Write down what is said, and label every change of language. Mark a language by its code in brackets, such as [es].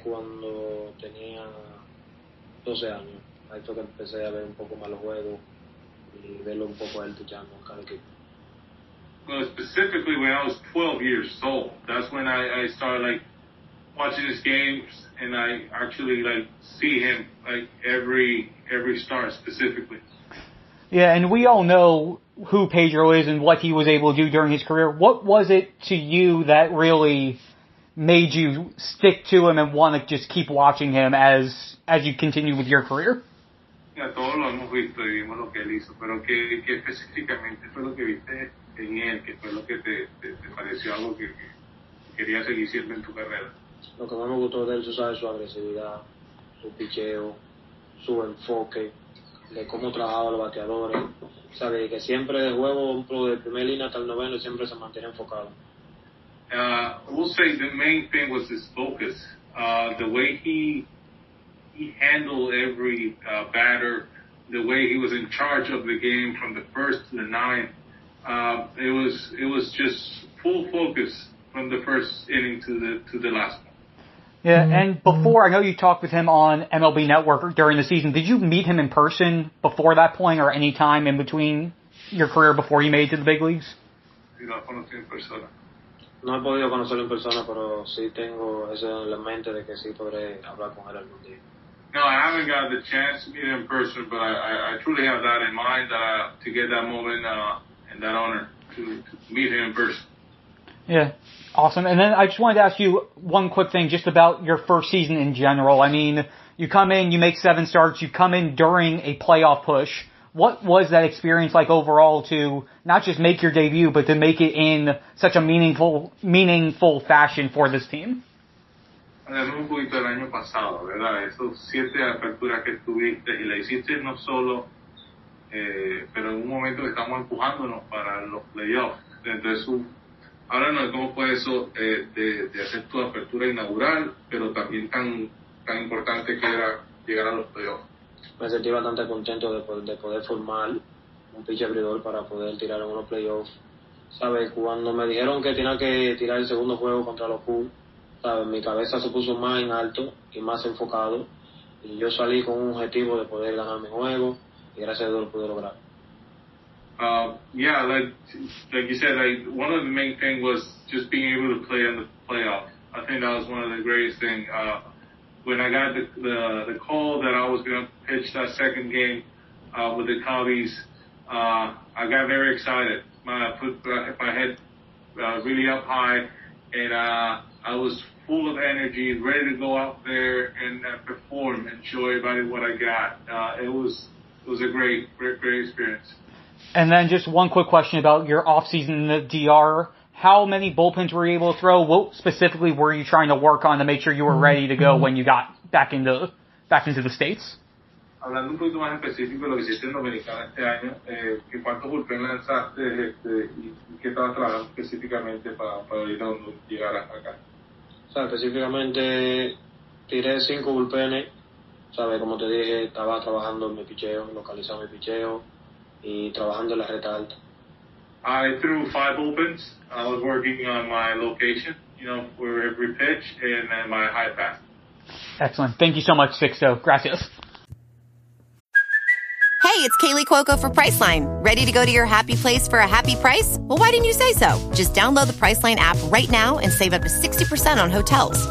[es] cuando tenía 12 años, ahí fue que empecé a ver un poco más los juegos y verlo un poco a él pitchando en cada equipo. [en] Well, specifically when I was 12 years old, that's when I started like watching his games, and I actually like see him like every start specifically. Yeah, and we all know who Pedro is and what he was able to do during his career. What was it to you that really made you stick to him and want to just keep watching him as you continue with your career? [es] Yeah, todos lo hemos visto y vimos lo que él hizo, pero qué específicamente fue lo que viste en él, que fue lo que te pareció algo que quería seguir siendo en tu carrera. Lo que más me gustó de él, tú sabes, su agresividad, su picheo, su enfoque, de cómo trabajaba los bateadores, o sea, de que siempre de juego, de primera línea hasta el noveno, siempre se mantiene enfocado. [en] We'll say the main thing was his focus. The way he handled every batter, the way he was in charge of the game from the first to the ninth, it was just full focus from the first inning to the last one. Yeah, mm-hmm. And before, I know you talked with him on MLB Network during the season. Did you meet him in person before that point or any time in between your career before you made it to the big leagues? [es] Sí, lo conocí en persona. No he podido conocerlo en persona, pero sí tengo ese en la mente de que sí podré hablar con él algún día. [en] No, I haven't got the chance to meet him in person, but I truly have that in mind to get that moment and that honor to meet him in person. Yeah, awesome. And then I just wanted to ask you one quick thing just about your first season in general. I mean, you come in, you make 7 starts, you come in during a playoff push. What was that experience like overall to not just make your debut, but to make it in such a meaningful fashion for this team? [es] Hablamos un poquito del año pasado, ¿verdad? Esos 7 aperturas que tuviste y la hiciste no solo, pero en un momento estamos empujándonos para los playoffs. Entonces, háblanos de cómo fue eso de hacer tu apertura inaugural, pero también tan importante que era llegar a los playoffs. Me sentí bastante contento de poder formar un pitcher abridor para poder tirar en unos playoffs. ¿Sabes? Cuando me dijeron que tenía que tirar el segundo juego contra los Cubs, ¿sabes? Mi cabeza se puso más en alto y más enfocado. Y yo salí con un objetivo de poder ganar mi juego y gracias a Dios lo pude lograr. [en] Like you said, like one of the main things was just being able to play in the playoff. I think that was one of the greatest things. When I got the call that I was going to pitch that second game with the Cubbies, I got very excited. I put my head really up high, and I was full of energy, ready to go out there and perform and show everybody what I got. It was a great experience. And then just one quick question about your offseason in the DR. How many bullpens were you able to throw? What specifically were you trying to work on to make sure you were ready to go when you got back into the States? [es] Hablando un poquito más específico de lo que hiciste en Dominicana este año, ¿cuántos bullpen lanzaste y qué estabas trabajando específicamente para ir a donde llegaras acá? O sea, específicamente tiré 5 bullpenes. ¿Sabes? Como te dije, estaba trabajando en mi picheo, localizando mi picheo. y trabajando en la recta alta. [en] I threw 5 bullpens. I was working on my location, you know, for every pitch and then my high pass. Excellent. Thank you so much, Sixto. Gracias. Hey, it's Kaylee Cuoco for Priceline. Ready to go to your happy place for a happy price? Well, why didn't you say so? Just download the Priceline app right now and save up to 60% on hotels.